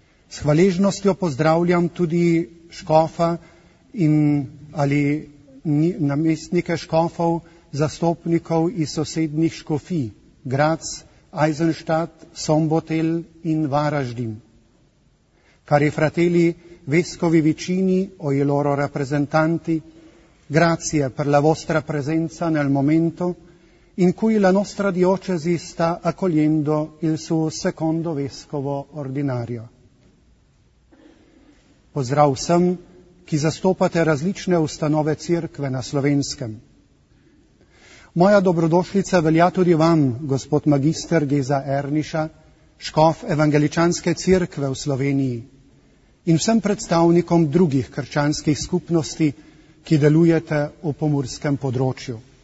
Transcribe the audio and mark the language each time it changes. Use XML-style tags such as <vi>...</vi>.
<sl>S hvaležnostjo pozdravljam tudi škofa in ali namestnike škofov, zastopnikov iz sosednjih škofij, Graz, Eisenstadt, Sombotel in Varaždin.</sl> <it>Cari fratelli, vescovi vicini o i loro rappresentanti, grazie per la vostra presenza nel momento in cui la nostra diocesi sta accogliendo il suo secondo vescovo ordinario.</it> <sl>Pozdrav vsem, ki zastopate različne ustanove cerkve na Slovenskem. Moja dobrodošlica velja tudi vam, gospod magister Geza Erniša, škof evangeličanske cerkve v Sloveniji in vsem predstavnikom drugih krščanskih skupnosti, ki delujete v pomurskem področju.</sl>